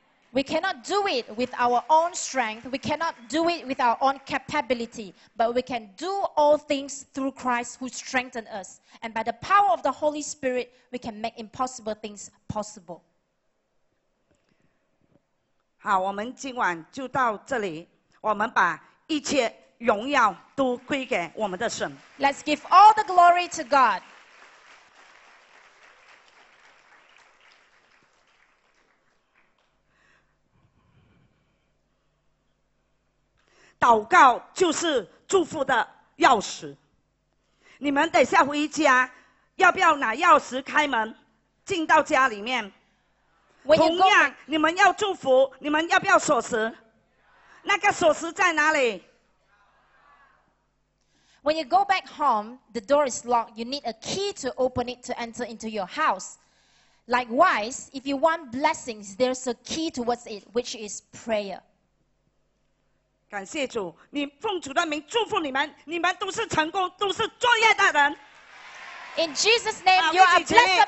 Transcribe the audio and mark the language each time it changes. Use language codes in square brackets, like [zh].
[en] We cannot do it with our own strength. We cannot do it with our own capability. But we can do all things through Christ who strengthens us. And by the power of the Holy Spirit, we can make impossible things possible. [zh] 好，我们今晚就到这里，我们把一切荣耀都归给我们的神。 [en] Let's give all the glory to God. [zh] 祷告就是祝福的钥匙。你们等下回家，要不要拿钥匙开门，进到家里面？同样，你们要祝福，你们要不要锁匙？那个锁匙在哪里？ [en] When you go back home, the door is locked. You need a key to open it to enter into your house. Likewise, if you want blessings, there's a key towards it, which is prayer. [zh] 感谢主，你奉主的名祝福你们，你们都是成功，都是作业的人。 [en] In Jesus' name, you are a blessed person.